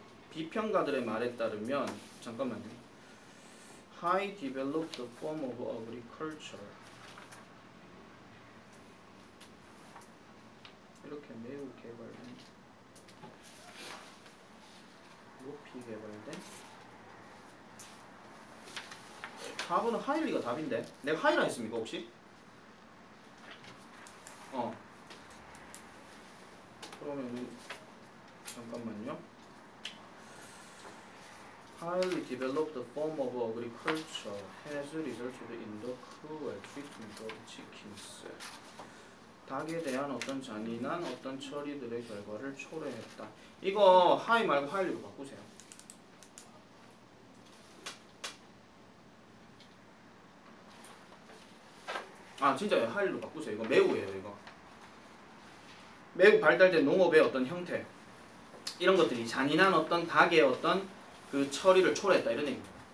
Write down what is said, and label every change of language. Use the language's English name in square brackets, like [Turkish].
[Korean] 비평가들의 말에 따르면 잠깐만요. [English] High developed form of agriculture. [Korean] 이렇게 매우 개발된 높이 개발된 4번은 하일리가 답인데 내가 하이라 했습니까 혹시? 어 그러면은 잠깐만요. [English] Highly developed form of agriculture has resulted in the cruel treatment of chickens. [Korean] 닭에 대한 어떤 잔인한 어떤 처리들의 결과를 초래했다. 이거 하이 말고 하일리로 바꾸세요. 아 진짜요. 하일로 바꾸세요. 이거 매우예요. 이거 매우 발달된 농업의 어떤 형태 이런 것들이 잔인한 어떤 닭의 어떤 그 처리를 초래했다 이런 얘기입니다.